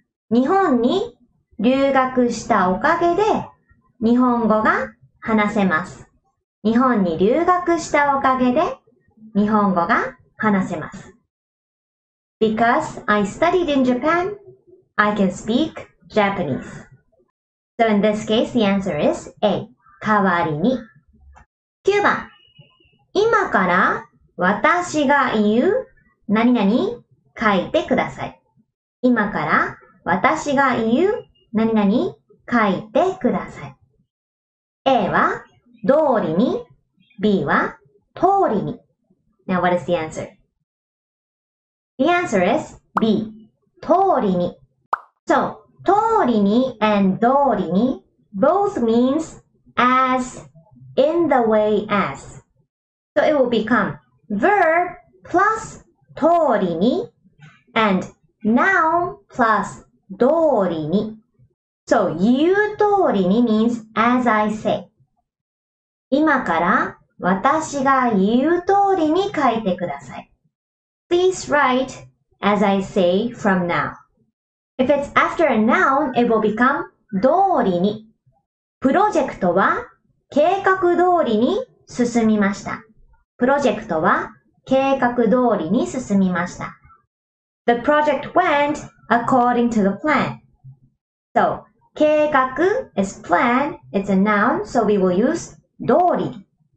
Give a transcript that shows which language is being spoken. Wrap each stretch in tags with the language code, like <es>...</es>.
<ja>日本に留学したおかげで日本語が話せます。日本に留学したおかげで日本語が話せます。</ja> <en>Because I studied in Japan, I can speak Japanese. So in this case, the answer is A.</en> <ja>代わりに。 9番。今から私が言う何々書いてください。今から私が言う何々書いてください。 A は通りに、B は通りに。</ja> <en>Now what is the answer? The answer is B.</en> <ja>通りに。</ja> <en>So, 通りに and 通りに both means as, in the way as. So it will become verb plus 通りに and noun plus 通りに。 So,</en> <ja>言う通りに</ja> <en>means as I say.</en> <ja>今から私が言う通りに書いてください。</ja> <en>Please write as I say from now. If it's after a noun, it will become</en> <ja>通りに。プロジェクトは計画通りに進みました。プロジェクトは計画通りに進みました。</ja> <en>The project went according to the plan. So, 計画 is plan, it's a noun, so we will use 通り。</en>